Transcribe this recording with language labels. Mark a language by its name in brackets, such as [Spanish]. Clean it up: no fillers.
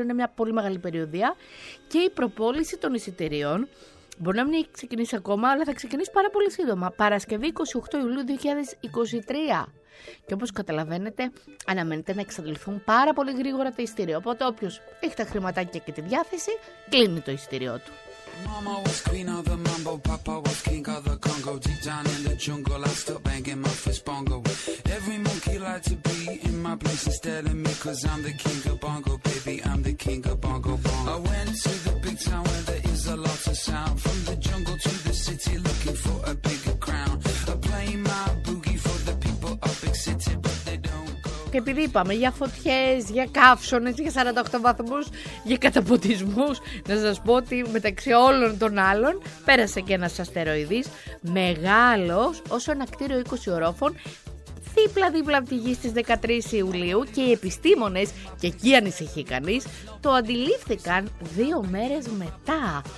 [Greek] Είναι μια πολύ μεγάλη περιοδία. Και η προπόληση των εισιτηρίων μπορεί να μην έχει ξεκινήσει ακόμα, αλλά θα ξεκινήσει πάρα πολύ σύντομα. Παρασκευή 28 Ιουλίου 2023. Και όπως καταλαβαίνετε, αναμένεται να εξαντληθούν πάρα πολύ γρήγορα τα εισιτήρια. Οπότε όποιος έχει τα χρηματάκια και τη διάθεση, κλείνει το εισιτήριό του. [English] Mama was queen of the mambo, papa was king of the Congo. Deep down in the jungle, I still banging my fist bongo. Every monkey like to be in my place instead of me, cause I'm the king of bongo, baby, I'm the king of bongo bongo. I went to the big town where there is a lot of sound, from the jungle to the city looking for a bigger crown. I play my boogie for the people of big city, but they don't go. [Greek] Και επειδή είπαμε για φωτιές, για καύσονες, για 48 βαθμούς, για καταποντισμούς, να σας πω ότι μεταξύ όλων των άλλων πέρασε και ένας αστεροειδής μεγάλος όσο ένα κτίριο 20 ορόφων δίπλα-δίπλα από τη γη στις 13 Ιουλίου και οι επιστήμονες, και εκεί ανησυχεί κανείς, το αντιλήφθηκαν 2 μέρες μετά.